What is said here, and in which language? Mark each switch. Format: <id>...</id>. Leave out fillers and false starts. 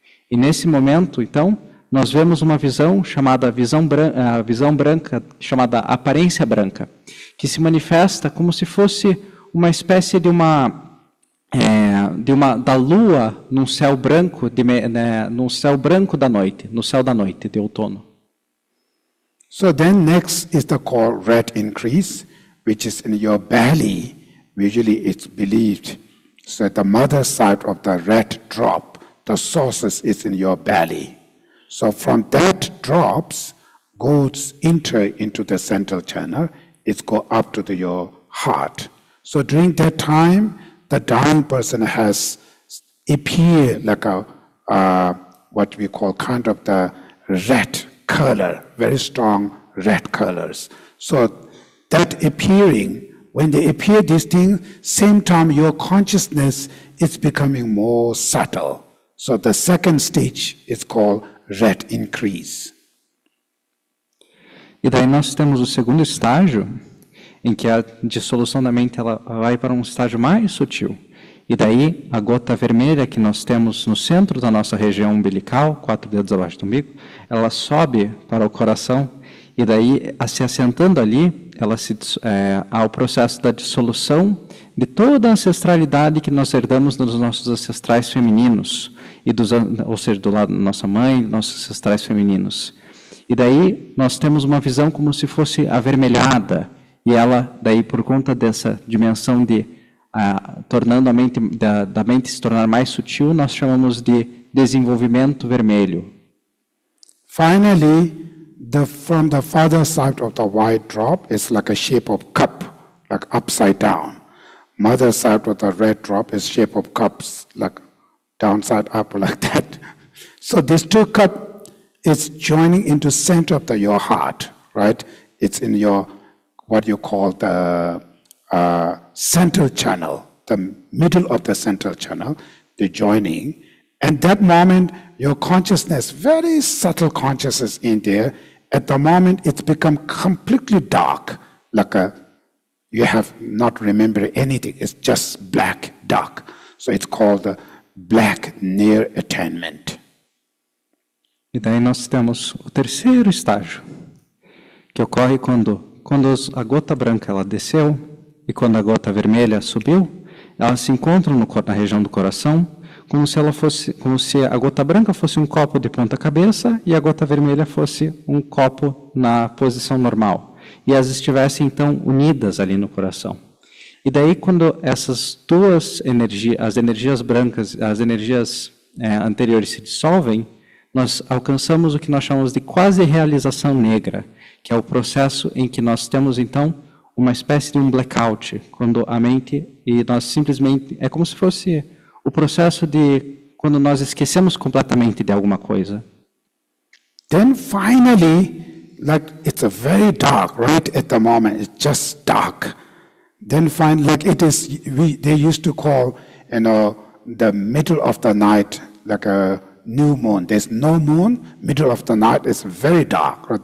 <pt>E nesse momento, então, nós vemos uma visão chamada visão branca, chamada aparência branca, que se manifesta como se fosse uma espécie de uma da lua num céu branco num céu branco da noite, no céu da noite de outono.</pt> <en>So then next is the called red increase, which is in your belly. Usually it's believed so the mother side of the red drop, the sources is in your belly. So from that drops goes enter into the central channel, it's go up to your heart. So during that time, the dying person has appear like a what we call kind of the red color, very strong red colors. So that appearing, when they appear this thing, same time your consciousness is becoming more subtle. So the second stage is called red increase.</en> <pt>E daí nós temos o segundo estágio, em que a dissolução da mente ela vai para um estágio mais sutil. E daí a gota vermelha que nós temos no centro da nossa região umbilical, quatro dedos abaixo do umbigo, ela sobe para o coração. E daí, se assentando ali, ela se ao processo da dissolução de toda a ancestralidade que nós herdamos dos nossos ancestrais femininos e dos, ou seja, do lado da nossa mãe, nossos ancestrais femininos. E daí nós temos uma visão como se fosse avermelhada, e ela daí por conta dessa dimensão de tornando a mente da mente se tornar mais sutil, nós chamamos de desenvolvimento vermelho.</pt> <en>Finally, from the father side of the white drop is like a shape of cup, like upside down. Mother side of the red drop is shape of cups, like downside up, like that. So these two cup is joining into center of your heart, right? It's in your what you call the central channel, the middle of the central channel, the joining. And that moment, your consciousness, very subtle consciousness in there, at the moment it's become completely dark, like you have not remembered anything, it's just black, dark. So it's called the black near attainment.</en> <pt>E daí nós temos o terceiro estágio, que ocorre quando a gota branca ela desceu e quando a gota vermelha subiu, elas se encontram no, na região do coração, como se a gota branca fosse um copo de ponta cabeça e a gota vermelha fosse um copo na posição normal. E elas estivessem então unidas ali no coração. E daí quando essas duas energias, as energias brancas, as energias anteriores se dissolvem, nós alcançamos o que nós chamamos de quase-realização negra, que é o processo em que nós temos, então, uma espécie de um blackout, quando a mente e nós simplesmente. É como se fosse o processo de quando nós esquecemos completamente de alguma coisa.</pt> <en>Then finally, like it's a very dark, right? At the moment, it's just dark. Then finally, like it is, they used to call, the middle of the night, like a new moon. There's no moon. Middle of the night is very dark. Right?</en>